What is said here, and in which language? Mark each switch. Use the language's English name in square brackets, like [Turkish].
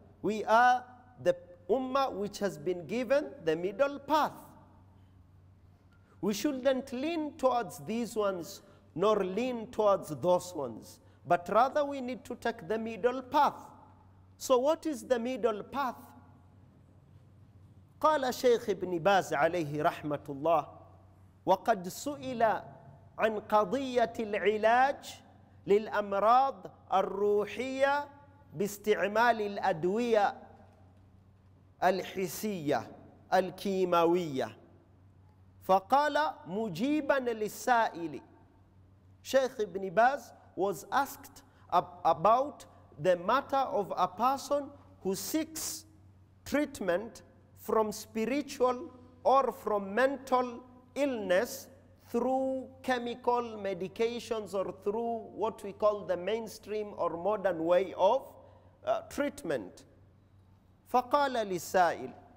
[English] We are the Ummah which has been given the middle path. We shouldn't lean towards these ones nor lean towards those ones, but rather we need to take the middle path. So what is the middle path? [Arabic] قال شيخ ابن باز عليه رحمة الله وقد سئل عن قضية العلاج للأمراض الروحية باستعمال الأدوية الحسية الكيماوية فقال مجيبا للسائل. [English] شيخ ابن باز was asked about the matter of a person who seeks treatment from spiritual or from mental illness through chemical medications or through what we call the mainstream or modern way of treatment. [Arabic] فقال للسائل,